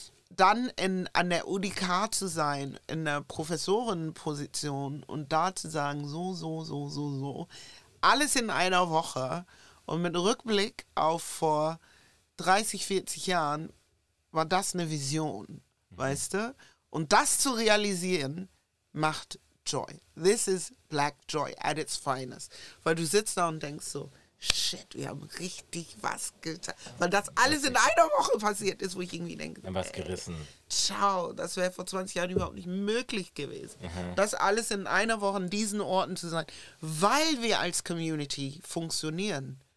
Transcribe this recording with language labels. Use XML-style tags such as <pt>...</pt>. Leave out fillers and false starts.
<de>Dann an der UdK zu sein, in der Professorenposition und da zu sagen, so, alles in einer Woche und mit Rückblick auf vor 30, 40 Jahren war das eine Vision, weißt du? Und das zu realisieren, macht Joy.</de> <en>This is Black Joy at its finest.</en> <de>Weil du sitzt da und denkst so, shit, wir haben richtig was getan. Weil das alles in einer Woche passiert ist, wo ich irgendwie denke, ey, was gerissen. Ciao, das wäre vor 20 Jahren überhaupt nicht möglich gewesen. Das alles in einer Woche in diesen Orten zu sein, weil wir als Community funktionieren.</de>